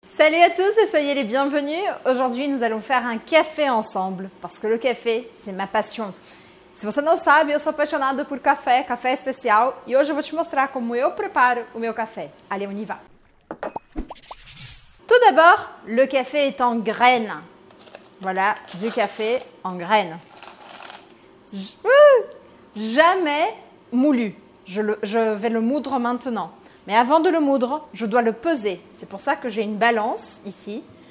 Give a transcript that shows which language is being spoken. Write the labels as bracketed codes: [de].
[fr] Salut à tous et soyez les bienvenus. Aujourd'hui, nous allons faire un café ensemble parce que le café, c'est ma passion. [pt] Si você não sabe, eu sou apaixonado por café, café especial, e hoje eu vou te mostrar como eu preparo o meu café. [fr] Allez, on y va. Tout d'abord, le café est en graines. Voilà, du café en graines. Jamais moulu. Je vais le moudre maintenant. Mais avant de le moudre, je dois le peser. C'est pour ça que j'ai une balance ici.